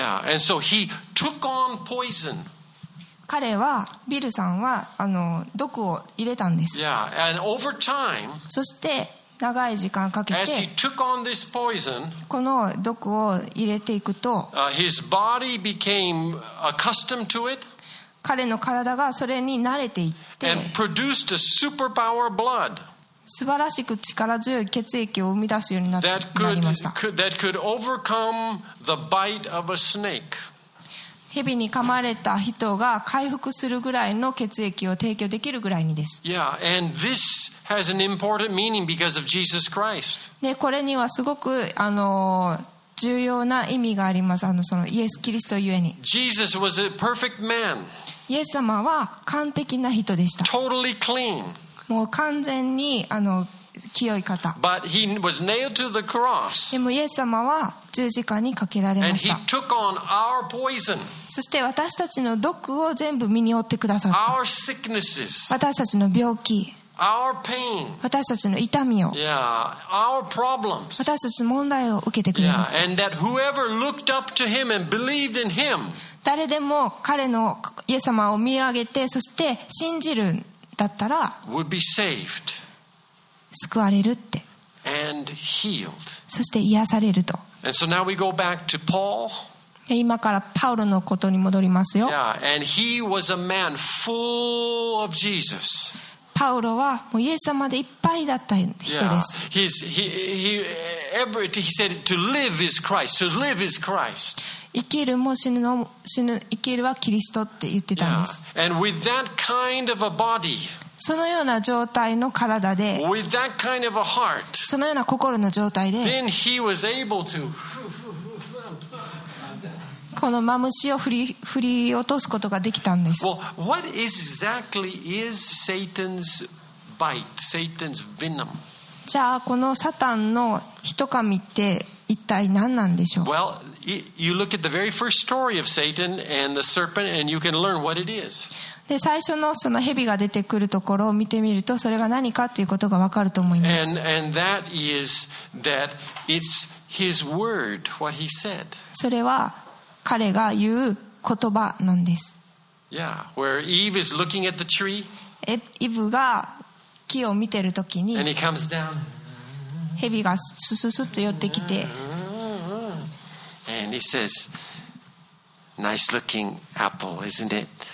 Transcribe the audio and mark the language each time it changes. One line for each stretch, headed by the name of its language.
English: Yeah, and so he took on poison.
Japanese: 彼はビルさんは毒を入れたんです。
English: Yeah, and over time,
Japanese: そして長い時間かけて
English: as he took on this poison,
Japanese: この毒を入れていくと、
English: his body became accustomed to it,
Japanese: 彼の体がそれに慣れていって
English: and produced a super power blood,
Japanese: 素晴らしく力強い血液を生み出すようになりました。
English: That could overcome the bite of a snake.
Japanese: 蛇に噛まれた人が回復するぐらいの血液を提供できるぐらいにです。
English: Yeah, and this has an important meaning because of Jesus Christ.
Japanese: で、これにはすごく重要な意味があります。そのイエス・キリストゆえに。
English: Jesus was a perfect man.
Japanese: イエス様は完璧な人でした。
English: Totally clean.
Japanese: もう完全に清い方。
English: But he was nailed to the cross.
Japanese: でもイエス様は十字架にかけられました。
English: And he took on our poison.
Japanese: そして私たちの毒を全部身に負ってくださった。
English: Our sicknesses.
Japanese: 私たちの病気。
English: Our pain.
Japanese: 私たちの痛みを。
English: Yeah. Our problems.
Japanese: 私たちの問題を受けてくれました。
English: And that whoever looked up to him and believed in him.
Japanese: 誰でも彼のイエス様を見上げて、そして信じるだったら、
English: would be saved.
Japanese: 救われるって。
English: And healed.
Japanese: そして癒されると。
English: And so now we go back to Paul.
Japanese: 今からパウロのことに戻りますよ。
English: Yeah, and he was a man full of Jesus.
Japanese: パウロはもうイエス様でいっぱいだった人です。
English: Yeah, he said to live is Christ. To live is Christ.
Japanese: 生きるも死ぬ生きるはキリストって言ってたんです。
English: Yeah, and with that kind of a body.
Japanese: そのような状態の体で、
English: With that kind of a heart,
Japanese: そのような心の状態で、
English: then he was able to...
Japanese: このマムシを振り落とすことができたんです。
English: Well, what exactly is Satan's bite, Satan's venom?
Japanese: じゃあこのサタンの人噛みって一体何なんでしょう？
English: Well, you look at the very first story of Satan and the serpent, and you can learn what it is.
Japanese: で最初のその蛇が出てくるところを見てみるとそれが何かということが分かると思います。
English: And that is that it's his word, what he said.
Japanese: それは彼が言う言葉なんです。
English: Yeah, where Eve is looking at the tree.
Japanese: イブが木を見てるときに、
English: and he comes down.
Japanese: 蛇がスススッと寄ってきて、
English: and he says, "Nice looking apple, isn't it?"